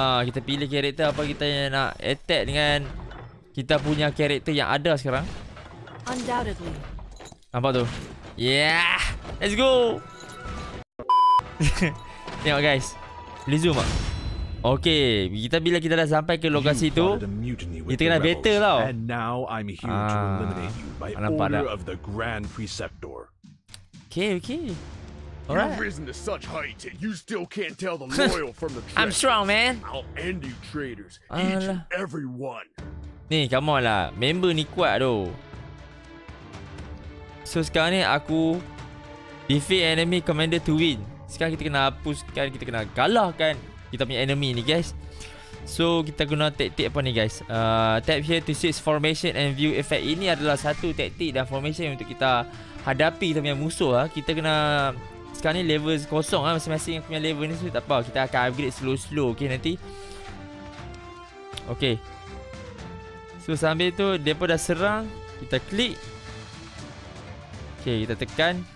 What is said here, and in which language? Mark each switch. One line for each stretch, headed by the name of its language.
Malay: Kita pilih karakter apa kita yang nak attack dengan kita punya karakter yang ada sekarang.
English: Undoubtedly.
Malay: Nampak tu?
English: Yeah, let's go.
Malay: Tengok guys, boleh zoom tak? Okay, kita bila kita dah sampai ke lokasi tu, kita kena battle tau.
English: And now I'm here to eliminate you by order of the Grand Preceptor. Okay. Right. You've risen to such heights that you still can't tell the loyal from the traitor. I'm strong, man. I'll end you traitors, each and every one.
Malay: Ni,
English: come on
Malay: lah. Member ni kuat doh.
English: So,
Malay: sekarang ni aku
English: defeat enemy commander to win.
Malay: Sekarang kita kena hapuskan, kita kena kalahkan kita punya enemy ni, guys. So, kita guna taktik apa ni, guys?
English: Tap here to switch formation and view effect.
Malay: Ini adalah satu taktik dan formation untuk kita hadapi kita punya musuh. Kita kena... Sekarang ni level kosong lah. Masing-masing aku punya level ni. So tak apa, kita akan upgrade slow-slow. Okay, nanti. Okay, so sambil tu dia pun dah serang. Kita klik. Okay, kita tekan.